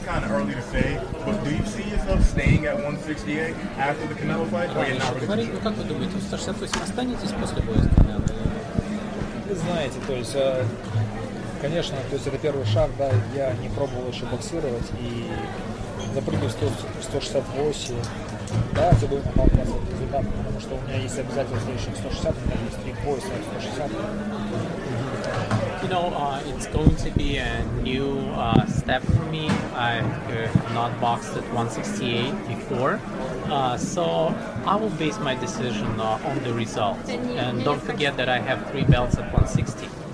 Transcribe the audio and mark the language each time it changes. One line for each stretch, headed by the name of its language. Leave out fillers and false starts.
English: early to say, but do you see yourself staying at 168 after the Canelo fight? Or you're not ready?
Russian: Как вы думаете, 168 останетесь после боя с Канело? Вы знаете, то есть, конечно, то есть это первый шаг, да, я не пробовал еще боксировать и запрыгнул 168, да, это будет показывать результат, потому что у меня есть обязательно следующих 160, у меня есть 3 пояса, 160.
English: You know, it's going to be a new step for me. I've not boxed at 168 before. So I will base my decision on the result. And don't forget that I have 3 belts at 160.